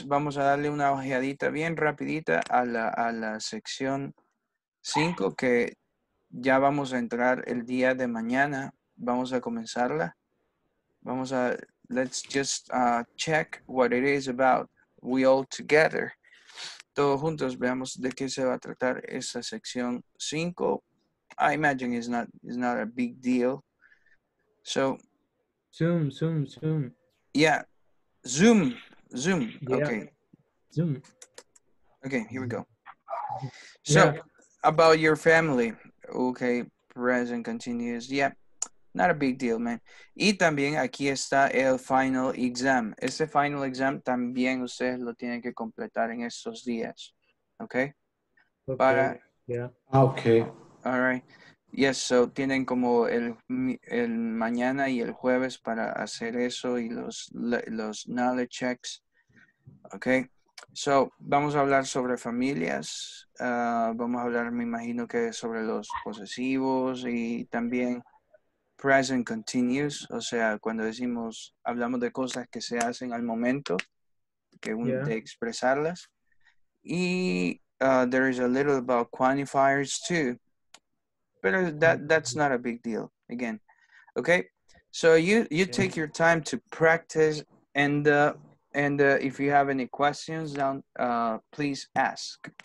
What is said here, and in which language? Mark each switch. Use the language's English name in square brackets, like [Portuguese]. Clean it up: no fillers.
[Spanish] Vamos a darle una ojeadita bien rapidita a la sección 5, que ya vamos a entrar el día de mañana. Vamos a comenzarla. Vamos a, [English] let's just check what it is about. We all together. [Spanish] Todos juntos veamos de qué se va a tratar esa sección 5. [English] I imagine it's not a big deal. So. Zoom. Yeah. Zoom. Yeah. Okay. Zoom. Okay, here we go. So. Yeah. About your family, okay, present continuous, yeah. Not a big deal, man. [Spanish] Y también aquí está el [English] final exam. [Spanish] Ese final exam también ustedes lo tienen que completar en estos días. [English] Okay? Para... Yeah. Okay. All right. [Spanish] Yes, so tienen como el mañana y el jueves para hacer eso y los knowledge checks. Okay. So, vamos a hablar sobre familias. Vamos a hablar, me imagino, que sobre los posesivos y también present continuous. O sea, cuando decimos, hablamos de cosas que se hacen al momento, que uno de expresarlas. Y [English] there is a little about quantifiers too. But that's not a big deal, again. Okay? So, you take your time to practice and... And if you have any questions, then please ask.